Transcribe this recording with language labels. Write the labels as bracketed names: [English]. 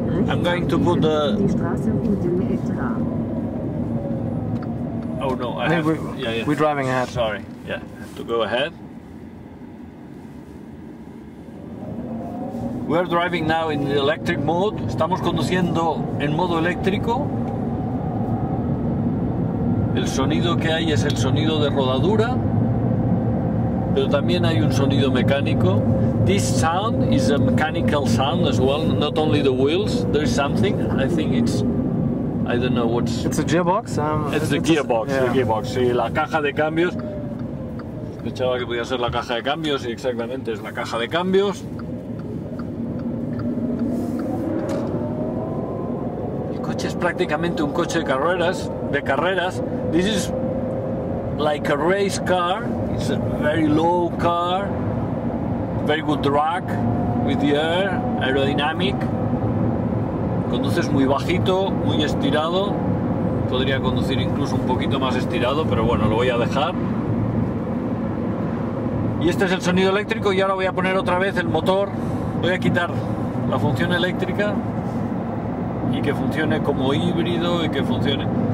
[English] I'm going to put the... Oh no, We're driving ahead. Sorry, yeah, to go ahead. We are driving now in the electric mode. [Spanish] Estamos conduciendo en modo eléctrico. El sonido que hay es el sonido de rodadura, pero también hay un sonido mecánico. [English] This sound is a mechanical sound as well, not only the wheels. There is something. I think it's, I don't know what's. It's a gearbox. It's the gearbox. [Spanish] Sí, la caja de cambios. Pensaba que podía ser la caja de cambios y exactamente es la caja de cambios. Es prácticamente un coche de carreras. [English] This is like a race car. It's a very low car, very good drag with the air, aerodynamic. [Spanish] Conduces muy bajito, muy estirado. Podría conducir incluso un poquito más estirado, pero bueno, lo voy a dejar. Y este es el sonido eléctrico y ahora voy a poner otra vez el motor. Voy a quitar la función eléctrica y que funcione como híbrido y que funcione.